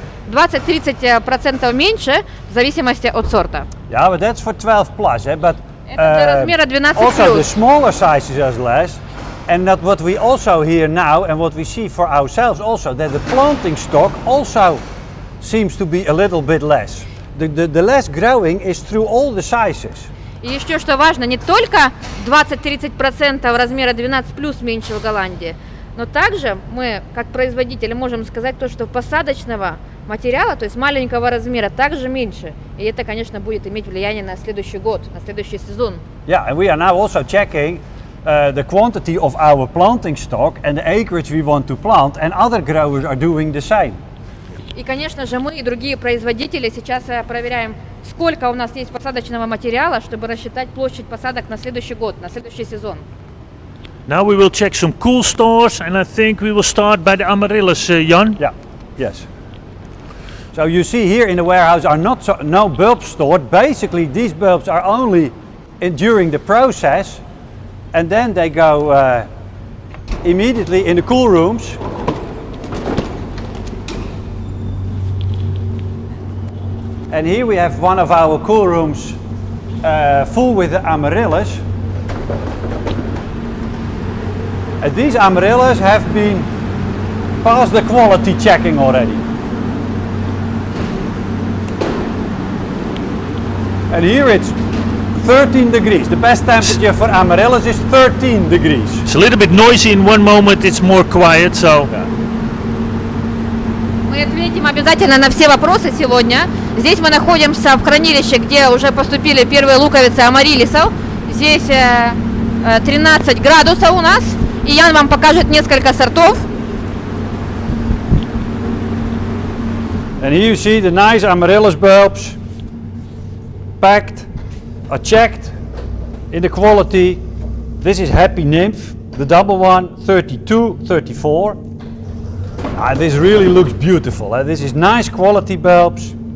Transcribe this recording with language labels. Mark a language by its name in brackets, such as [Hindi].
[Russian] 20-30% меньше в зависимости от сорта. [English] Yeah, but that's for 12 plus, eh? But also the smaller sizes are less, and that what we also hear now and what we see for ourselves also, that the planting stock also seems to be a little bit less. The less growing is through all the sizes. [Russian] И еще что важно, не только 20-30% размера 12 плюс меньше в Голландии, но также мы, как производители, можем сказать то, что посадочного материала, то есть маленького размера, также меньше. И это, конечно, будет иметь влияние на следующий год, на следующий сезон. [English] Yeah, and we are now also checking the quantity of our planting stock and the acreage we want to plant, and other growers are doing the same. [Russian] И, конечно же, мы и другие производители сейчас проверяем, сколько у нас есть посадочного материала, чтобы рассчитать площадь посадок на следующий год, на следующий сезон. [English] Now we will check some cool stars, and I think we will start by the amaryllis, Jan. Yeah, yes. So you see here in the warehouse are no bulbs stored. Basically, these bulbs are only in during the process, and then they go immediately in the cool rooms. And here we have one of our cool rooms full with the amaryllis. And these amaryllis have been past the quality checking already. And here it's 13 degrees. The best temperature for amaryllis is 13 degrees. It's a little bit noisy in one moment, it's more quiet, so. [Russian] Мы ответим обязательно на все вопросы сегодня. Здесь мы находимся в хранилище, где уже поступили первые луковицы амариллисов. Здесь 13 градусов у нас. И Ян вам покажет несколько сортов. [English] And here you see the nice amaryllis bulbs packed or checked in the quality. This is Happy Nymph, the double one, 32-34. Ah, this really looks beautiful. Eh? This is nice quality bulbs.